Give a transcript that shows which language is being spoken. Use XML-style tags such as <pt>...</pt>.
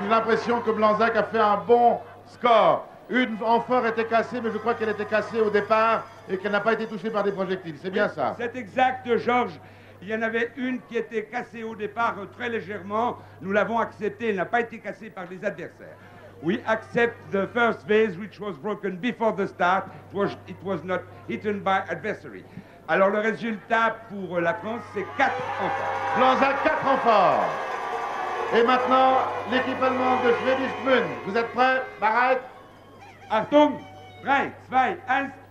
<fr>J'ai l'impression que Blanzac a fait un bon score. Une amphore était cassée, mais je crois qu'elle était cassée au départ et qu'elle n'a pas été touchée par des projectiles. C'est bien ça. C'est exact, Georges. Il y en avait une qui était cassée au départ très légèrement. Nous l'avons acceptée. Elle n'a pas été cassée par les adversaires.</fr> <en>We accept the first base, which was broken before the start. It was not hitten by adversary.</en> <fr>Alors le résultat pour la France, c'est 4 amphores. Blanzac, 4 amphores. Et maintenant, l'équipe allemande de Schwedisch Gmünd. Vous êtes prêts, Barrett?</fr> <de>Achtung, 3, 2, 1.</de>